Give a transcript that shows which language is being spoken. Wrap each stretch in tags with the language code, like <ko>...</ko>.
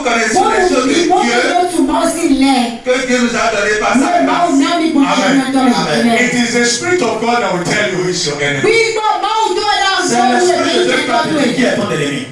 <fr>connaissions les choses de Dieu, que Dieu nous a donné par sa grâce. Amen.</fr> <en>It is the spirit of God that will tell you who is your enemy.</en> <fr>C'est l'esprit de Dieu qui est ton ennemi.</fr>